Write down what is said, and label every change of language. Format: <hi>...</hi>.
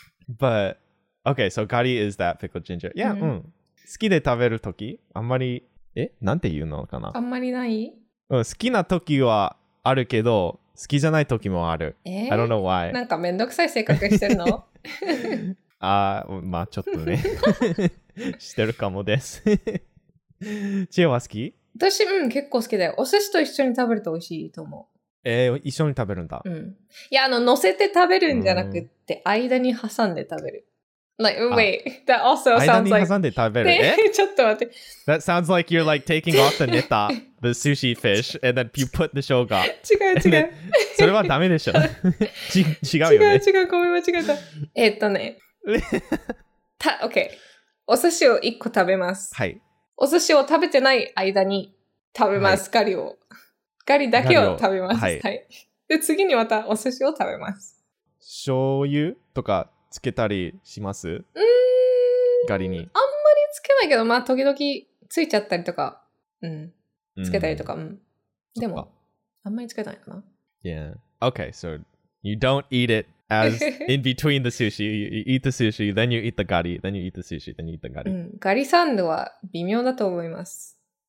<en>But, okay, so gari is that pickled ginger. Yeah, mm.</en> <ja>好きで食べるとき、あんまり、え、なんて言うのかな？あんまりない？うん、好きなときはあるけど、好きじゃないときもある。え？</ja> <en>I don't know why.</en> <ja>なんかめんどくさい性格してるの？あー、まあちょっとね。してるかもです。チエは好き？私、うん、結構好きだよ。お寿司と一緒に食べると美味しいと思う。一緒に食べるんだ。うん。いや、乗せて食べるんじゃなくて、間に挟んで食べる。</ja> <en>Like, wait, that also sounds like...</en> <ja>間に挟んで食べる、ちょっと待って。</ja> <en>That sounds like you're like taking off the netta, the sushi fish, and then you put the shoga.</en> <ja>違う違う。それはダメでしょ。違うよね。違う違う、ごめん、間違えた。ね。OK。お寿司を一個食べます。はい。お寿司を食べてない間に食べます、カリを。ガリだけを食べます。はい、はい。で、次にまたお寿司を食べます。醤油とかつけたりします？ガリに。あんまりつけないけど、まあ、時々ついちゃったりとか、うん。つけたりとか、うん。でも、あんまりつけないかな。</ja> <en>Yeah. Okay, so you don't eat it as in between the sushi. You eat the sushi, then you eat the ガリ then you eat the sushi, then you eat the ガリ、</en> <ja>うん、ガリサンドは微妙だと思います。</ja>